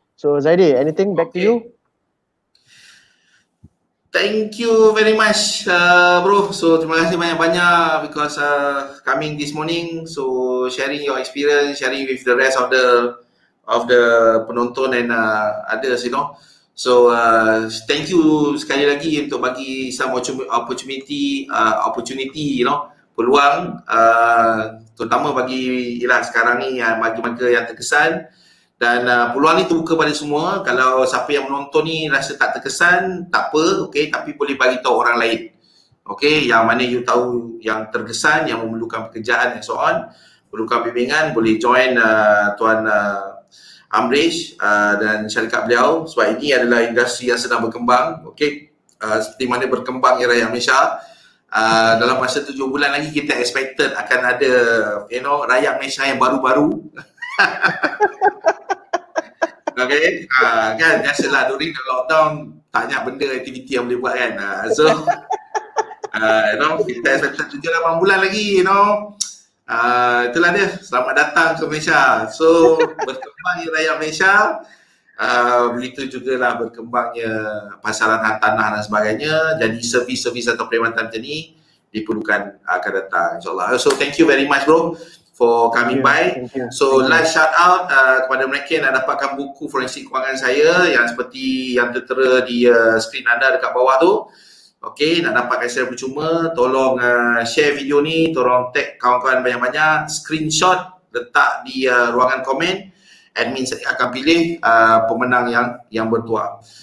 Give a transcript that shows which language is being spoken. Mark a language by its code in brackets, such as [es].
[en] So Zaidi, anything back to you? Thank you very much bro. So [ms] terima kasih banyak-banyak [en] because coming this morning, so sharing your experience, sharing with the rest of the [ms] penonton [en] and others, you know. So thank you [ms] sekali lagi untuk bagi [en] some opportunity, you know, [ms] peluang, terutama bagi ialah sekarang ni bagi mereka yang terkesan. Dan peluang ni terbuka pada semua. Kalau siapa yang menonton ni rasa tak terkesan, tak apa, okay, tapi boleh bagi tahu orang lain. Okay, yang mana you tahu yang terkesan, yang memerlukan pekerjaan [en] and so on, [ms] memerlukan bimbingan, boleh join Tuan Amrish dan syarikat beliau. Sebab ini adalah industri yang sedang berkembang, okay, seperti mana berkembang era yang Malaysia. dalam masa 7 bulan lagi kita [en] expected [ms] akan ada, [en] you know, [ms] rakyat Malaysia yang baru-baru. Okay, kan biasalah [en] during the lockdown [ms] tanya benda aktiviti yang boleh buat kan. [en] So you know, [ms] kita [en] expected [ms] 7-8 bulan lagi, you know. Itulah dia, selamat datang ke Malaysia. So berkembangnya rakyat Malaysia, begitu jugalah berkembangnya pasaran hartanah dan sebagainya. Jadi servis-servis atau perkhidmatan macam ni diperlukan akan datang, insyaAllah. [en] So thank you very much bro for coming by. So last shout out [ms] kepada mereka yang dapatkan buku forensik kewangan saya yang seperti yang tertera di screen anda dekat bawah tu. Okay, nak dapatkan secara percuma, tolong share video ni, tolong tag kawan-kawan banyak-banyak, screenshot, letak di ruangan komen, admin saya akan pilih pemenang yang bertuah.